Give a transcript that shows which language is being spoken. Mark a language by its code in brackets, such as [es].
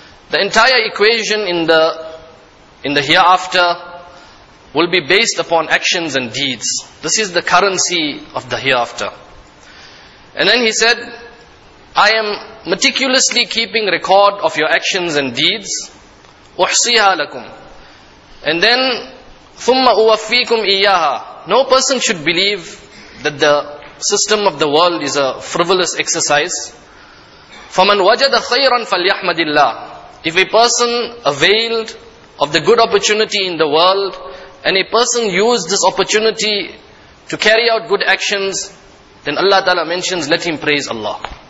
[en] The entire equation in the hereafter will be based upon actions and deeds. This is the currency of the hereafter. And then he said, I am meticulously keeping record of your actions and deeds. [ar] أُحْصِيهَا لَكُمْ. [en] And then, [ar] ثُمَّ أُوَفِّيكُمْ إِيَّاهَا. [en] No person should believe that the system of the world is a frivolous exercise. [ar] فَمَنْ وَجَدَ خَيْرًا فَلْيَحْمَدِ اللَّهِ. [en] If a person availed of the good opportunity in the world, and a person used this opportunity to carry out good actions, then Allah Ta'ala mentions, let him praise Allah.